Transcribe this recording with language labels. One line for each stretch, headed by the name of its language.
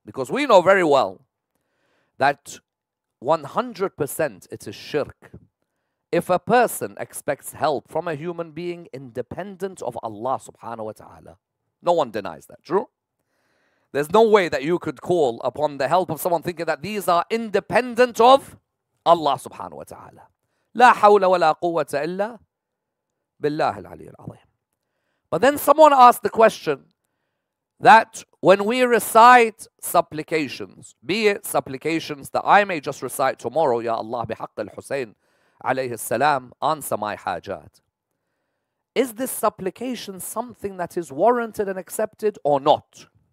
English: Because we know very well that 100% it is shirk. If a person expects help from a human being independent of Allah subhanahu wa ta'ala, no one denies that, true? There's no way that you could call upon the help of someone thinking that these are independent of Allah subhanahu wa ta'ala.
Arabic: لا حول ولا قوة إلا بالله العلي العظيم.
English: But then someone asked the question that when we recite supplications, be it supplications that I may just recite tomorrow,
Arabic: Ya Allah bihaqq al-Husayn alayhi salam,
English: answer my hajat. Is this supplication something that is warranted and accepted or not?